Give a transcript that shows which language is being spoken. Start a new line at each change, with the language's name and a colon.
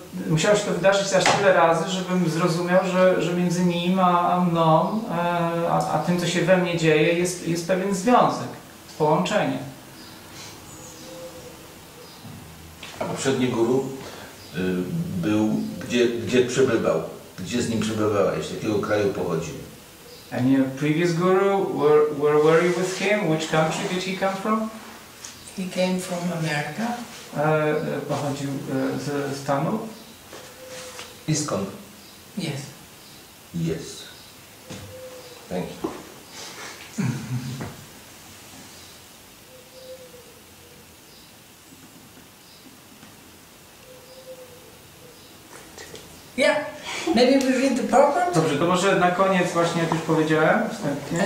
Polish: Musiało się to wydarzyć aż tyle razy, żebym zrozumiał, że między nim a mną, a tym, co się we mnie dzieje, jest pewien związek, połączenie. A poprzedni guru był, gdzie przebywał? Gdzie z nim przebywałeś? Z jakiego kraju pochodził?
English: And your previous guru, where were you with him? Which country did he come from? He came from America.
Polish: Pochodził ze Stanów?
English: Iskon. Yes. Yes. Thank you. Yeah, maybe we read the program.
Polish: Dobrze, to może na koniec właśnie, jak już powiedziałem wstępnie.